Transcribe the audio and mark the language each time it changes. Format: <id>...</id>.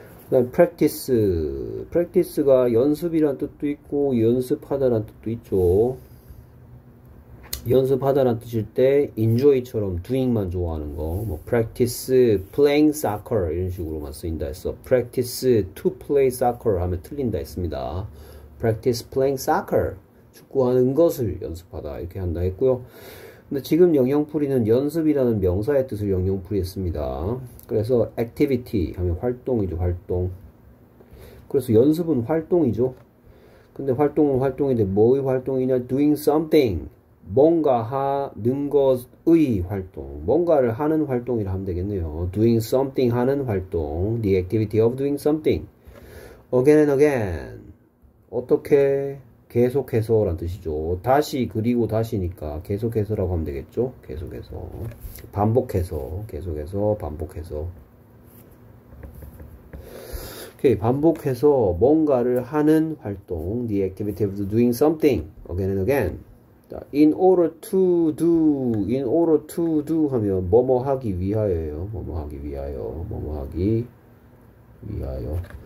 <ko>그다음 practice가 연습이란 뜻도 있고 연습하다란 뜻도 있죠. 연습하다란 뜻일 때 enjoy처럼 doing만 좋아하는 거, 뭐</ko> <en>practice playing soccer</en> <ko>이런 식으로만 쓰인다 했어.</ko> <en>practice to play soccer</en> <ko>하면 틀린다 했습니다.</ko> <en>practice playing soccer,</en> <ko>축구하는 것을 연습하다 이렇게 한다 했고요. 근데 지금 영영풀이는 연습이라는 명사의 뜻을 영영풀이 했습니다. 그래서 activity 하면 활동이죠, 활동. 그래서 연습은 활동이죠. 근데 활동은 활동인데 뭐의 활동이냐?</ko> <en>doing something,</en> <ko>뭔가 하는 것의 활동, 뭔가를 하는 활동이라 하면 되겠네요. doing something 하는 활동,</ko> <en>the activity of doing something. again and again,</en> <ko>어떻게? 계속해서란 뜻이죠. 다시 그리고 다시니까 계속해서라고 하면 되겠죠. 계속해서, 반복해서, 계속해서, 반복해서. 오케이, 반복해서 뭔가를 하는 활동,</ko> <en>the activity of doing something again and again. In order to do</en> <ko>하면 뭐뭐 하기 위하여요. 뭐뭐 하기 위하여, 뭐뭐 하기 위하여.</ko>